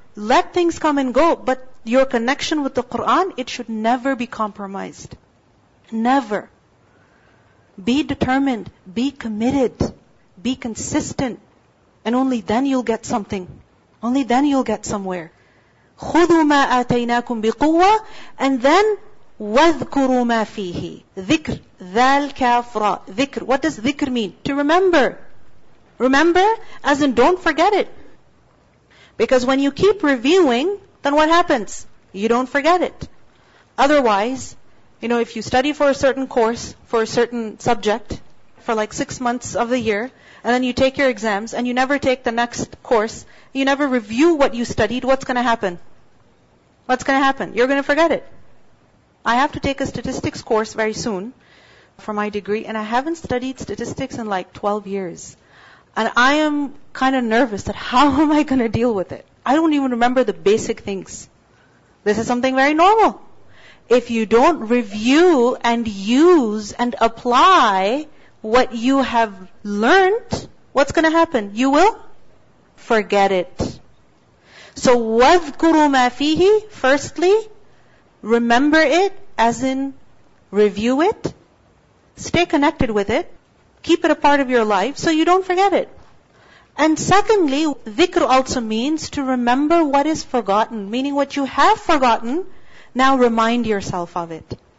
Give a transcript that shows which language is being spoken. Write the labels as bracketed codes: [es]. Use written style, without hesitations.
[en] Let things come and go, but your connection with the Qur'an, it should never be compromised. Never. Be determined, be committed, be consistent, and only then you'll get something. Only then you'll get somewhere. [ar] خُذُوا مَا آتَيْنَاكُمْ بِقُوَّةِ. [en] And then, [ar] وَذْكُرُوا مَا فِيهِ. ذِكْر, ذَال كَافْرَ. [en] ذِكْر, what does ذِكْر mean? To remember. Remember, as in don't forget it. Because when you keep reviewing, then what happens? You don't forget it. Otherwise, you know, if you study for a certain course, for a certain subject, for like 6 months of the year, and then you take your exams, and you never take the next course, you never review what you studied, what's going to happen? What's going to happen? You're going to forget it. I have to take a statistics course very soon for my degree, and I haven't studied statistics in like 12 years. And I am kind of nervous that how am I going to deal with it? I don't even remember the basic things. This is something very normal. If you don't review and use and apply what you have learned, what's going to happen? You will forget it. [ar] So, وَذْكُرُوا مَا فِيهِ. [en] Firstly, remember it, as in review it. Stay connected with it. Keep it a part of your life so you don't forget it. And secondly, dhikr also means to remember what is forgotten. Meaning what you have forgotten, now remind yourself of it.